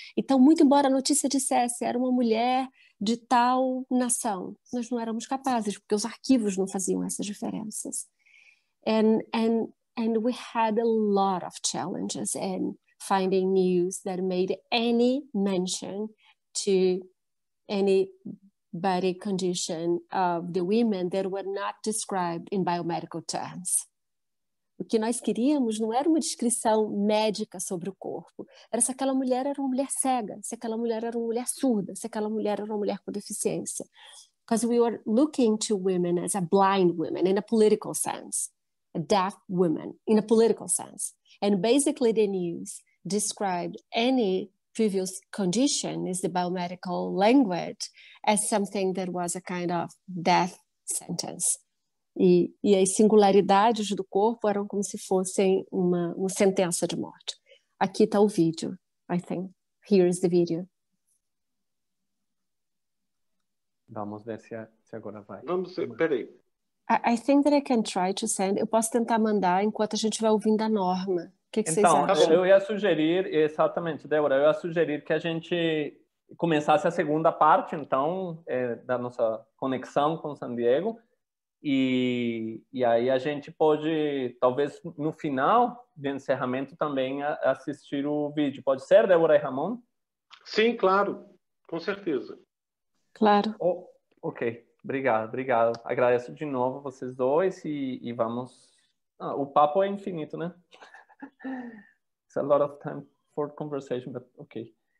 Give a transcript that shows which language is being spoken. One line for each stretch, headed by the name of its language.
Portuguese: Então, muito embora a notícia dissesse era uma mulher de tal nação, nós não éramos capazes, porque os arquivos não faziam essas diferenças.
English: And we had a lot of challenges in finding news that made any mention to any body condition of the women that were not described in biomedical terms.
Portuguese: O que nós queríamos não era uma descrição médica sobre o corpo, era se aquela mulher era uma mulher cega, se aquela mulher era uma mulher surda, se aquela mulher era uma mulher com deficiência.
English: Because we were looking to women as a blind woman in a political sense, a deaf woman in a political sense. And basically the news described any previous condition is the biomedical language as something that was a kind of death sentence.
Portuguese: E as singularidades do corpo eram como se fossem uma sentença de morte. Aqui está o vídeo,
English: I think. Here is the video.
Portuguese: Vamos ver se agora vai. Vamos, peraí.
English: I think that I can try to send.
Portuguese: Eu posso tentar mandar enquanto a gente vai ouvindo a Norma. O que, então, vocês acham? Eu ia sugerir, exatamente, Débora, eu ia sugerir que a gente começasse a segunda parte, então, da nossa conexão com San Diego. E aí a gente pode, talvez no final de encerramento também, assistir o vídeo. Pode ser, Débora e Ramon? Sim, claro. Com certeza. Claro. Oh, ok. Obrigado. Agradeço de novo a vocês dois e vamos... Ah, o papo é infinito, né?
English: It's a lot of time for conversation, but ok.